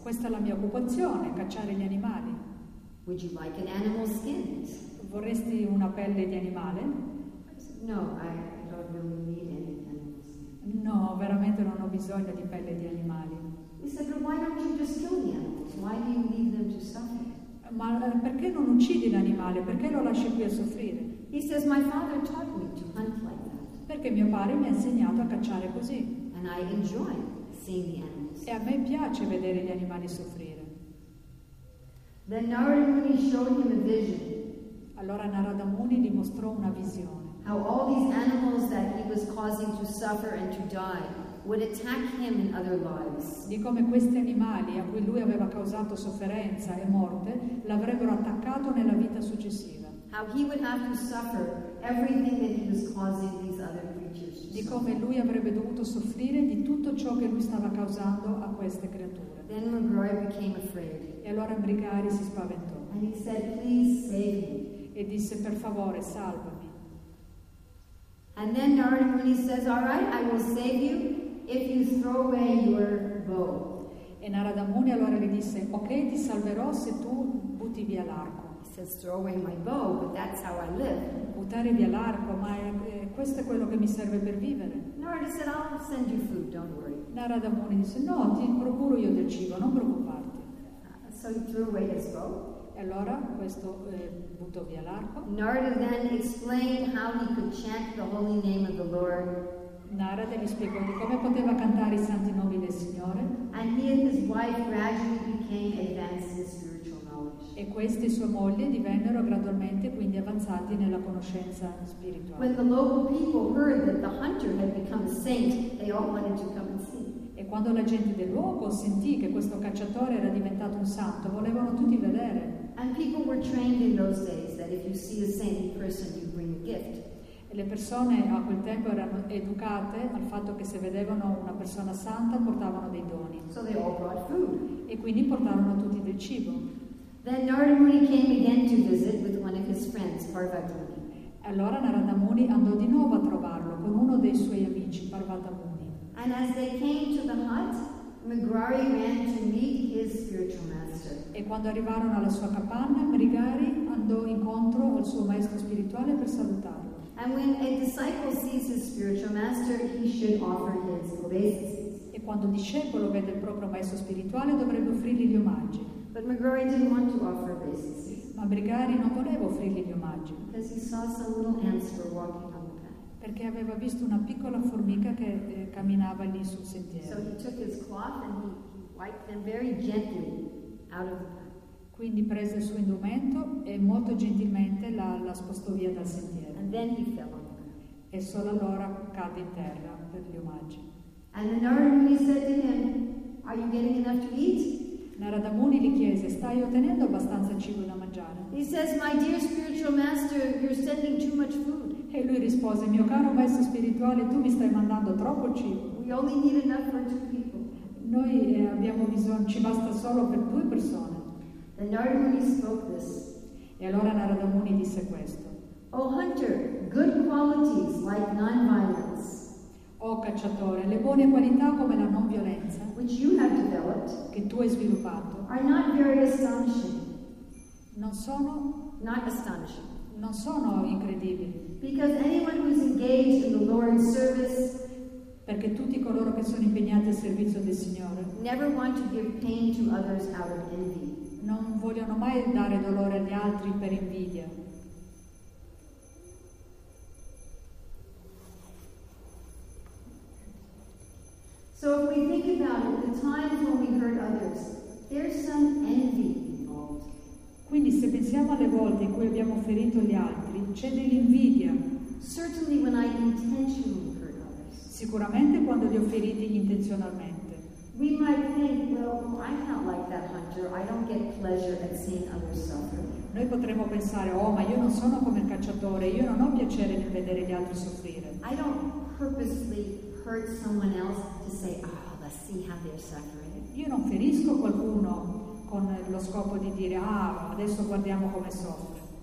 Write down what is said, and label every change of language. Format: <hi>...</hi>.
<it>Questa è la mia occupazione, cacciare gli animali.</it> <en>Would you like an animal skin?</en> <it>Vorresti una pelle di animale?</it> <en>No, I don't really need it.</en> <it>No, veramente non ho bisogno di pelle di animali.</it> <en>He said, but why don't you just kill the animals? Why do you leave them to suffer?</en> <it>Ma perché non uccidi l'animale? Perché lo lasci qui a soffrire?</it> <en>He says, my father taught me to hunt like that.</en> <it>Perché mio padre mi ha insegnato a cacciare così.</it> <en>And I enjoy seeing the animals.</en> <it>E a me piace vedere gli animali soffrire.</it> <en>Then Narada Muni showed him a vision.</en> <it>Allora Narada Muni gli mostrò una visione.</it> <en>How all these animals that he was causing to suffer and to die would attack him in other lives.</en> <it>Di come questi animali a cui lui aveva causato sofferenza e morte l'avrebbero attaccato nella vita successiva.</it> <en>How he would have to suffer everything that he was causing these other creatures.</en> <it>Di come lui avrebbe dovuto soffrire di tutto ciò che lui stava causando a queste creature.</it> <en>Then Mrigari became afraid.</en> <it>E allora Mrigari si spaventò.</it> <en>And he said, "Please save me."</en> <it>E disse, per favore, salvami.</it> <en>And then Narada Muni says, "All right, I will save you if you throw away your bow."</en> <it>E Narada Muni allora gli disse, "Ok, ti salverò se tu butti via l'arco."</it> <en>He says, "Throw away my bow, but that's how I live."</en> <it>Buttare via l'arco, ma questo è quello che mi serve per vivere.</it> <en>Narada said, "I'll send you food. Don't worry."</en> <it>Narada Muni disse, "No, ti procuro io del cibo, non preoccuparti."</it> <en>So he threw away his bow.</en> <it>E allora questo buttò via l'arco.</it> <en>Narada then explained how he could chant the holy name of the Lord.</en> <it>Narada gli spiegò di come poteva cantare i santi nomi del Signore.</it> <en>And he and his wife gradually became advanced in spiritual knowledge.</en> <it>E questi e sua moglie divennero gradualmente quindi avanzati nella conoscenza spirituale.</it> <en>When the local people heard that the hunter had become a saint, they all wanted to come and see.</en> <it>E quando la gente del luogo sentì che questo cacciatore era diventato un santo, volevano tutti vedere.</it> <en>And people were trained in those days that if you see a saint person, you bring a gift.</en> <it>E le persone a quel tempo erano educate al fatto che se vedevano una persona santa portavano dei doni.</it> <en>So they all brought food.</en> <it>E quindi portarono tutti del cibo.</it> <en>Then Narada Muni came again to visit with one of his friends, Parvata Muni.</en> <it>Allora Narada Muni andò di nuovo a trovarlo con uno dei suoi amici, Parvata Muni.</it> <en>And as they came to the hut, Mrigari ran to meet his spiritual master.</en> <it>E quando arrivarono alla sua capanna, Mrigari andò incontro al suo maestro spirituale per salutarlo.</it> <en>And when a disciple sees his spiritual master, he should offer his obeisances.</en> <it>E quando un discepolo vede il proprio maestro spirituale, dovrebbe offrirgli gli omaggi.</it> <en>But Mrigari didn't want to offer obeisances.</en> <it>Ma Mrigari non voleva offrirgli gli omaggi.</it> <en>Because he saw some little hamster walking on the path.</en> <it>Perché aveva visto una piccola formica che camminava lì sul sentiero.</it> <en>So he took his cloth and he wiped them very gently out of the path.</en> <it>Quindi prese il suo indumento e molto gentilmente la spostò via dal sentiero.</it> <en>And then he fell.</en> <it>E solo allora cadde in terra per gli omaggi.</it> <en>And Narada Muni said to him, "Are you getting enough to eat?"</en> <it>Narada Muni gli chiese, "Stai ottenendo abbastanza cibo da mangiare?"</it> <en>He says, "My dear spiritual master, you're sending too much food."</en> <it>E lui rispose, "Mio caro maestro spirituale, tu mi stai mandando troppo cibo."</it> <en>We only need enough for two people.</en> <it>Noi abbiamo bisogno, ci basta solo per due persone.</it> <en>And Narada Muni spoke this.</en> <it>E allora Narada Muni disse questo.</it> <en>O hunter, good qualities like non-violence.</en> <it>O cacciatore, le buone qualità come la non violenza.</it> <en>Which you have developed.</en> <it>Che tu hai sviluppato.</it> <en>Are not very astonishing.</en> <it>Non sono.</it> <en>Not astonishing.</en> <it>Non sono incredibili.</it> <en>Because anyone who is engaged in the Lord's service.</en> <it>Perché tutti coloro che sono impegnati al servizio del Signore.</it> <en>Never want to give pain to others out of envy.</en> <it>Non vogliono mai dare dolore agli altri per invidia.</it> <en>So if we think about it, the times when we hurt others, there's some envy involved.</en> <it>Quindi se pensiamo alle volte in cui abbiamo ferito gli altri, c'è dell'invidia.</it> <en>Certainly when I intentionally hurt others.</en> <it>Sicuramente quando li ho feriti intenzionalmente.</it> <en>We might think, well, I'm not like that hunter. I don't get pleasure at seeing others suffer.</en> <it>Noi potremmo pensare, oh, ma io non sono come il cacciatore. Io non ho piacere nel vedere gli altri soffrire.</it> <en>I don't purposely hurt someone else to say, oh, let's see how they're suffering.</en> <it>Io non ferisco qualcuno con lo scopo di dire, ah, adesso guardiamo come soffre.</it>